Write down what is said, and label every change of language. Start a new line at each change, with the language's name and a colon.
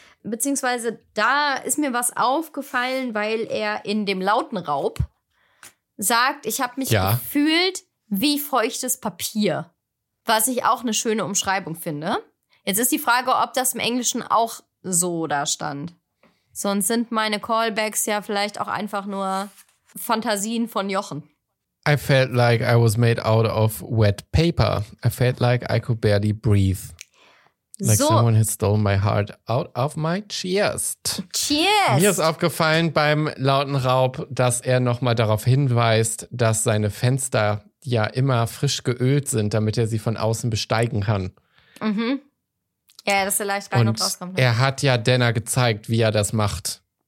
German: Beziehungsweise da ist mir was aufgefallen, weil er in dem lauten Raub sagt, ich habe mich gefühlt wie feuchtes Papier. Was ich auch eine schöne Umschreibung finde. Jetzt ist die Frage, ob das im Englischen auch so da stand. Sonst sind meine Callbacks ja vielleicht auch einfach nur Fantasien von Jochen.
English: I felt like I was made out of wet paper. I felt like I could barely breathe. Like so. Someone has stolen my heart out of my chest. Cheers.
German: Mir ist aufgefallen beim lauten Raub, dass er nochmal darauf hinweist, dass seine Fenster ja immer frisch geölt sind, damit er sie von außen besteigen kann. Mhm. Ja, dass er leicht rein und rauskommt. Er hat ja Dana gezeigt, wie er das macht.